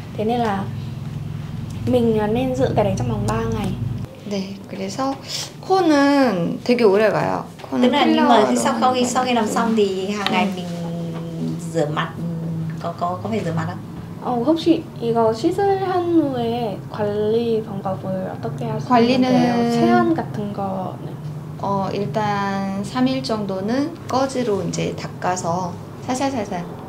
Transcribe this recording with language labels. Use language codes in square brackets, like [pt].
[vi] Thế nên là mình nên giữ cái đấy trong vòng 3 ngày. [ko] 네, 그래서 코는 되게 오래 가요. [vi] Tức là nhưng mà sau khi làm xong thì hàng ngày mình rửa mặt có phải rửa mặt không? [ko] 혹시 이거 시술 한 후에 관리 방법을 어떻게 하세요? 관리는 체온 같은 거는 일단 3일 정도는 거즈로 이제 닦아서 살살살살